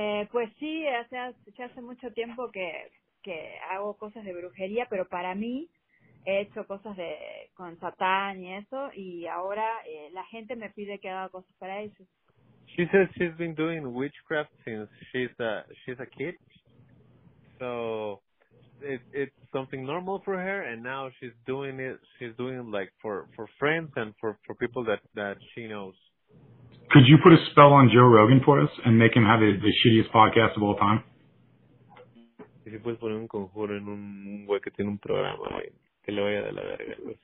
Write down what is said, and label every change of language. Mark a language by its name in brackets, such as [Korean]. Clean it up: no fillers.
[Spanish] Pues sí, hace mucho tiempo que hago cosas de brujería, pero para mí he hecho cosas con Satán y eso, y ahora la gente me pide que haga cosas para ellos. [English] She says she's been doing witchcraft since she's a kid, so it's something normal for her, and now she's doing it like for friends and for people that she knows. Could you put a spell on Joe Rogan for us and make him have the shittiest podcast of all time? [Spanish] Si puedes poner un conjuro en un güey que tiene un programa, que le vaya de la verga.